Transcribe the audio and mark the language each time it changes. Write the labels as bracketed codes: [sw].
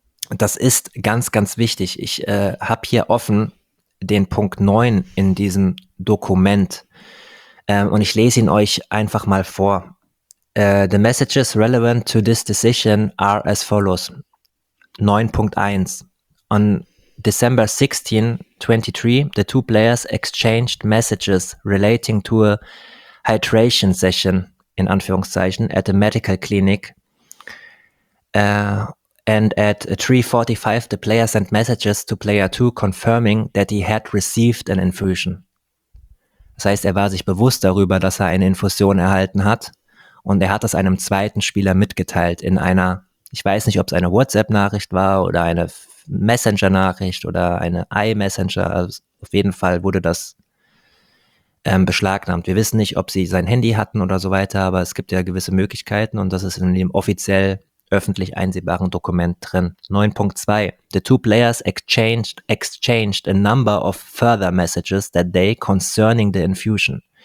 [de] Das ist ganz, ganz wichtig. Ich habe hier offen den Punkt 9 in diesem Dokument und ich lese ihn euch einfach mal vor. [en] The messages relevant to this decision are as follows. 9.1. On December 16, 23, the two players exchanged messages relating to a hydration session, [de] in Anführungszeichen, [en] at a medical clinic. And at 3:45, the player sent messages to player 2 confirming that he had received an infusion. [de] Das heißt, er war sich bewusst darüber, dass er eine Infusion erhalten hat. Und er hat das einem zweiten Spieler mitgeteilt in einer, ich weiß nicht, ob es eine WhatsApp-Nachricht war oder eine Messenger-Nachricht oder eine iMessenger. Also auf jeden Fall wurde das beschlagnahmt. Wir wissen nicht, ob sie sein Handy hatten oder so weiter, aber es gibt ja gewisse Möglichkeiten und das ist in dem offiziell öffentlich einsehbaren Dokument drin. [en] 9.2. The two players exchanged a number of further messages that day concerning the infusion.